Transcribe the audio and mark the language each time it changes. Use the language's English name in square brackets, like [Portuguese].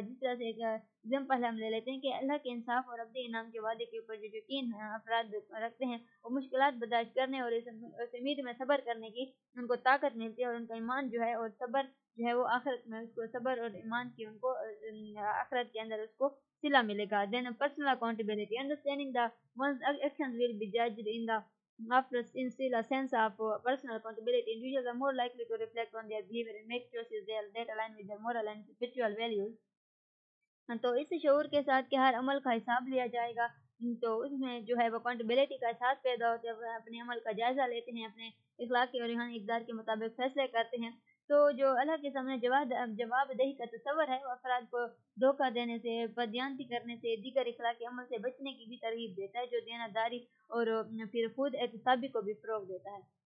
[Urdu] جس طرح سے ایک ایگزامپل ہم لے لیتے ہیں کہ اللہ کے انصاف اور ابدی انعام کے وعدے کے اوپر جو یقین افراد رکھتے ہیں وہ مشکلات برداشت کرنے اور اس امید میں صبر کرنے کی ان کو طاقت ملتی ہے, اور ان کا ایمان جو ہے اور صبر جو ہے وہ آخرت میں اس کو صبر اور ایمان کی ان کو آخرت کے اندر اس کو صلہ ملے گا. [English] Then personal accountability, understanding that one's actions will be judged in the afterlife, in still a sense of personal accountability. Individuals are more likely to reflect on their behavior and make choices that align with their moral and spiritual values. [Urdu] تو اس شعور کے ساتھ کہ ہر عمل کا حساب لیا جائے گا تو اس میں جو ہے وہ accountability کا احساس پیدا ہوتا ہے. اپنے عمل کا جائزہ لیتے ہیں, اپنے اخلاقی اور روحانی اقدار کے مطابق فیصلے کرتے ہیں. تو جو اللہ کے سامنے جواب دہی کا تصور ہے وہ افراد کو دھوکہ دینے سے, بدیانتی کرنے سے, دیگر اخلاقی عمل سے بچنے کی بھی ترغیب دیتا ہے, جو دینہ داری اور پھر خود احتسابی کو بھی فروغ دیتا ہے.